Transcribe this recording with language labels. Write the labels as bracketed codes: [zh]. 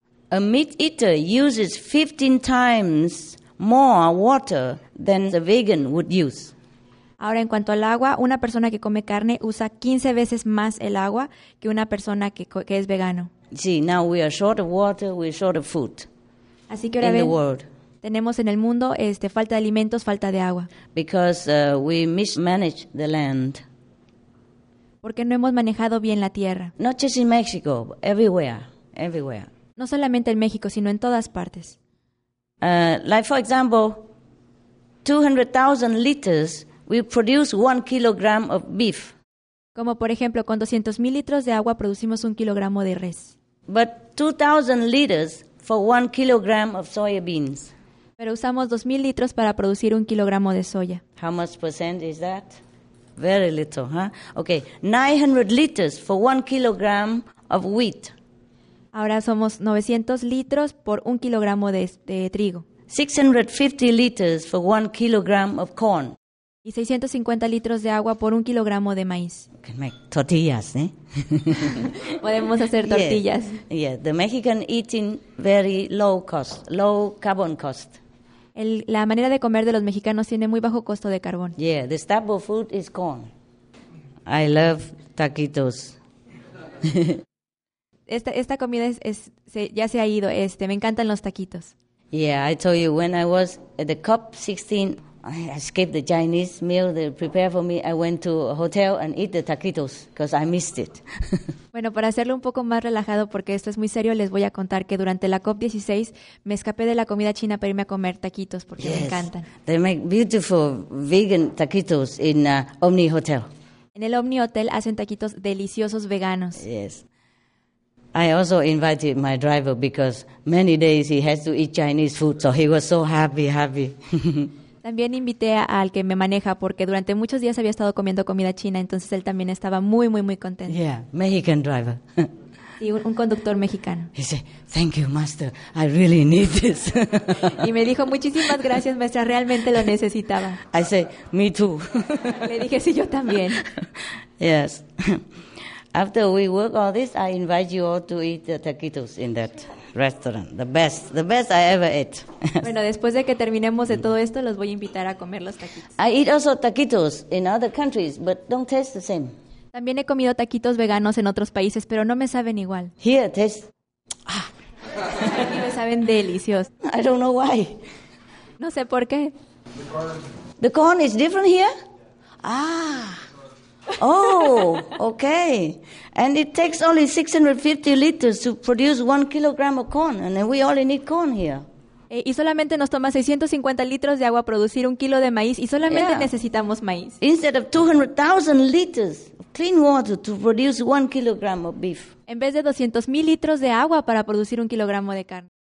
[en] A meat eater uses 15 times more water than a vegan would use. [es] Ahora, en cuanto al agua, una persona que come carne usa 15 veces más el agua que una persona que es vegano. Sí, [en] now we are short of water, we are short of food. [es] Así que ahora tenemos en el mundo falta de alimentos, falta de agua. [en] Because we mismanage the land. [es] Porque no hemos manejado bien la tierra. [en] Not just in Mexico, everywhere. [es] No solamente en México, sino en todas partes. [en] Like for example, 200,000 liters will produce 1 kilogram of beef. [es] Como por ejemplo, con 200,000 litros de agua producimos 1 kilogramo de res. [en] But 2,000 liters for 1 kilogram of soybeans. [es] Pero usamos 2,000 litros para producir 1 kilogramo de soya. [en] How much percent is that? Very little, huh? Okay, 900 liters for 1 kilogram of wheat. [es] Ahora somos 900 litros por 1 kilogramo de trigo. [en] 650 liters for 1 kilogram of corn. [es] Y 650 litros de agua por 1 kilogramo de maíz. [en] We can make tortillas, eh? [es] Podemos hacer tortillas. [en] Yeah, the Mexican eating very low cost, low carbon cost. [es] La manera de comer de los mexicanos tiene muy bajo costo de carbón. [en] Yeah, the staple food is corn. I love taquitos. [es] Esta comida ya se ha ido. Me encantan los taquitos. [en] Yeah, I told you when I was at the COP 16, I escaped the Chinese meal they prepared for me. I went to a hotel and eat the taquitos because I missed it. [es] Bueno, para hacerlo un poco más relajado, porque esto es muy serio, les voy a contar que durante la COP 16 me escapé de la comida china para irme a comer taquitos porque [en] yes, [es] me encantan. [en] They make beautiful vegan taquitos in Omni Hotel. [es] En el Omni Hotel hacen taquitos deliciosos veganos. [en] Yes. I also invited my driver because many days he has to eat Chinese food, so he was so happy. [es] También invité al que me maneja porque durante muchos días había estado comiendo comida china, entonces él también estaba muy, muy, muy contento. [en] Yeah, Mexican driver. [es] Sí, un conductor mexicano. [en] He said, thank you, master, I really need this. [es] Y me dijo, muchísimas gracias, maestra, realmente lo necesitaba. [en] I said, me too. [es] Le dije, sí, yo también. [en] Yes. After we work all this, I invite you all to eat the taquitos in that restaurant. The best I ever ate. [es] Bueno, después de que terminemos de todo esto, los voy a invitar a comer los taquitos. [en] I eat also taquitos in other countries, but don't taste the same. [es] También he comido taquitos veganos en otros países, pero no me saben igual. [en] Here, taste. [es] Aquí me saben deliciosos. [en] I don't know why. [es] No sé por qué. [en] The corn is different here? Ah. Oh, okay. And it takes only 650 liters to produce 1 kilogram of corn, and then we only need corn here. [es] Y solamente nos toma 650 litros de agua producir 1 kilo de maíz, y solamente necesitamos maíz. [en] Instead of 200,000 liters of clean water to produce 1 kilogram of beef. [es] En vez de 200,000 litros de agua para producir 1 kilogramo de carne.